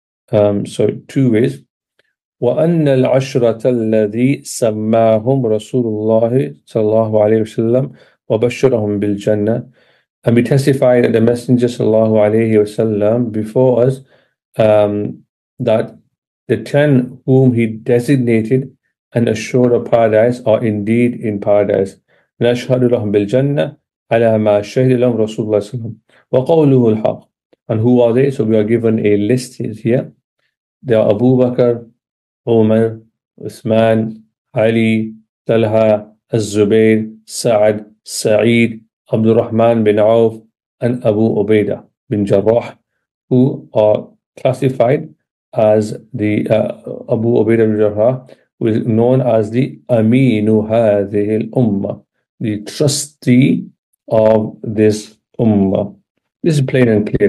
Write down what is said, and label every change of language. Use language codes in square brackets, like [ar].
[en] So two ways. [ar] Wa innal ashrata alladhi sammahum Rasulullah sallallahu alayhi wa sallam. وَبَشَّرَهُمْ بِالْجَنَّةِ. [en] And we testify that the Messenger sallallahu alayhi wasallam before us, that the 10 whom he designated and assured of paradise are indeed in paradise. [ar] نشهد لهم بالجنة على ما شهد لهم رسول الله صلى الله عليه وسلم وقوله الحق. [en] And who are they? So we are given a list here. They are Abu Bakr, Umar, Uthman, Ali, Talha, Az-Zubayr, Sa'ad, Sa'id, Abdul Rahman bin Auf, and Abu Ubaidah bin Jarrah, who are classified as the Abu Ubaidah bin Jarrah, who is known as the Aminu Hadhihi al-Ummah, the trustee of this Ummah. This is plain and clear.